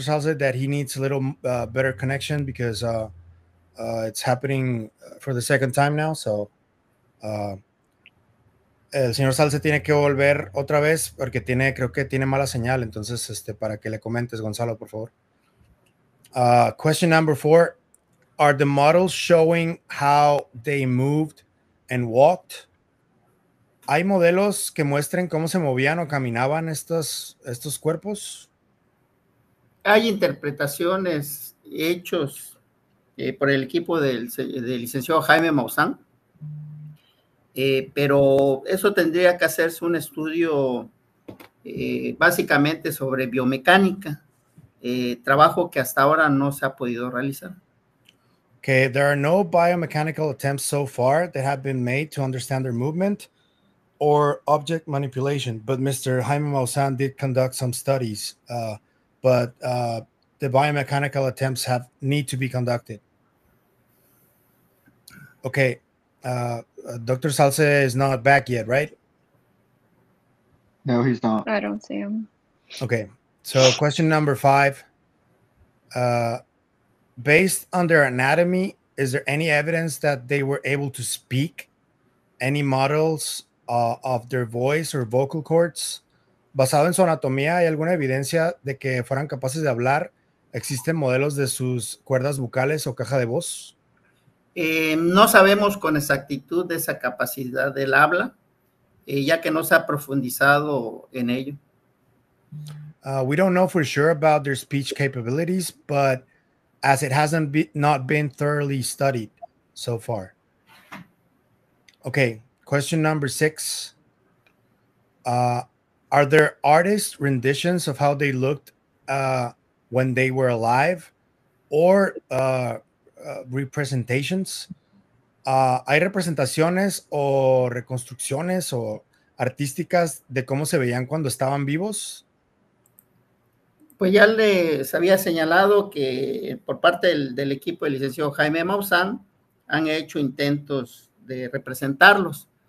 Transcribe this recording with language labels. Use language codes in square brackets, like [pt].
[en] Salce that he needs a little better connection because it's happening for the second time now. [es] So, el señor Salce tiene que volver otra vez porque tiene, creo que tiene mala señal. Entonces, para que le comentes, Gonzalo, por favor. [en] Question number four. Are the models showing how they moved and walked? [es] ¿Hay modelos que muestren cómo se movían o caminaban estos cuerpos? Hay interpretaciones hechos por el equipo del licenciado Jaime Maussan, pero eso tendría que hacerse un estudio básicamente sobre biomecánica, trabajo que hasta ahora no se ha podido realizar. [en] Okay, there are no biomechanical attempts so far that have been made to understand their movement or object manipulation, but Mr. Jaime Maussan did conduct some studies, but the biomechanical attempts have need to be conducted. Okay, Dr. Salce is not back yet, right? No, he's not. I don't see him. Okay, so question number five. Based on their anatomy, is there any evidence that they were able to speak? Any models of their voice or vocal cords? [es] Basado en su anatomía, ¿hay alguna evidencia de que fueran capaces de hablar? ¿Existen modelos de sus cuerdas vocales o caja de voz? No sabemos con exactitud de esa capacidad del habla, ya que no se ha profundizado en ello. [en] We don't know for sure about their speech capabilities, but as it hasn't not been thoroughly studied so far. Okay, question number six. Are there artist renditions of how they looked when they were alive or representations? [es] ¿Hay representaciones o reconstrucciones o artísticas de cómo se veían cuando estaban vivos? Pues ya les había señalado que por parte del equipo del licenciado Jaime Maussan han hecho intentos de representarlos.